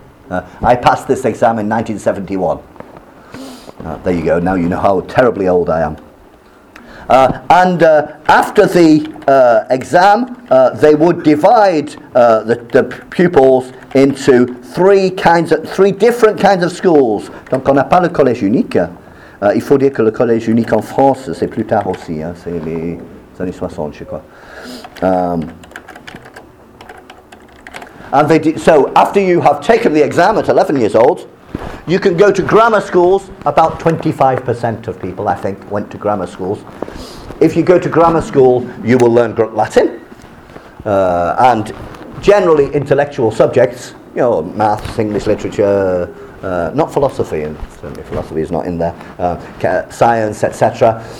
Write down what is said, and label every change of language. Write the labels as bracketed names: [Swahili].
[English] I passed this exam in 1971. There you go, now you know how terribly old I am. After the exam, they would divide the pupils into three different kinds of schools. [French] Donc on n'a pas le collège unique. Il faut dire que le collège unique en France, c'est plus tard aussi, hein, c'est les années 60, je crois. [English] So after you have taken the exam at 11 years old, you can go to grammar schools. About 25% of people, I think, went to grammar schools. If you go to grammar school, you will learn Latin. And generally intellectual subjects, you know, maths, English literature, not philosophy, and certainly philosophy is not in there, science, etc.